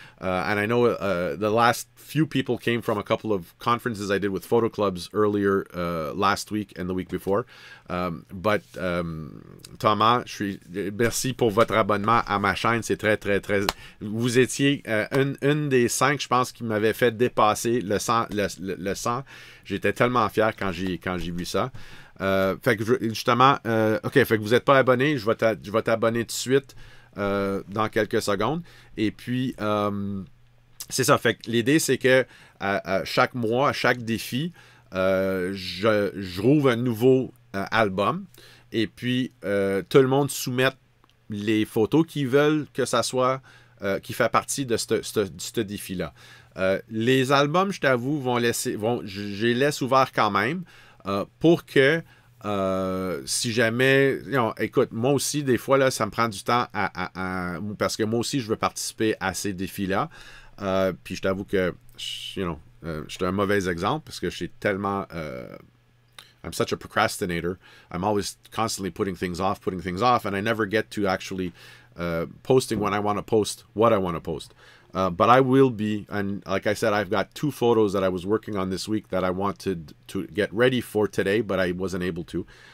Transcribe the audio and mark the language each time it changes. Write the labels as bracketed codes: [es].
[en] And I know the last few people came from a couple of conferences I did with photo clubs earlier last week and the week before. [fr] Thomas, merci pour votre abonnement à ma chaîne. C'est très, très, très... Vous étiez une des 5, je pense, qui m'avait fait dépasser le 100. J'étais tellement fier quand j'ai vu ça. Fait que vous n'êtes pas abonné, je vais t'abonner tout de suite dans quelques secondes. Et puis, c'est ça. Fait que l'idée, c'est que à chaque mois, à chaque défi, je rouvre un nouveau album. Et puis, tout le monde soumette les photos qu'ils veulent que ça soit qui fait partie de ce défi-là. Les albums, je t'avoue, j'ai laissé ouvert quand même pour que si jamais... You know, écoute, moi aussi, des fois, là, ça me prend du temps à parce que moi aussi, je veux participer à ces défis-là. Puis je t'avoue que, je suis un mauvais exemple parce que j'ai tellement... [en] I'm such a procrastinator. I'm always constantly putting things off, and I never get to actually posting when I want to post what I want to post. But I will be, and like I said, I've got two photos that I was working on this week that I wanted to get ready for today, but I wasn't able to.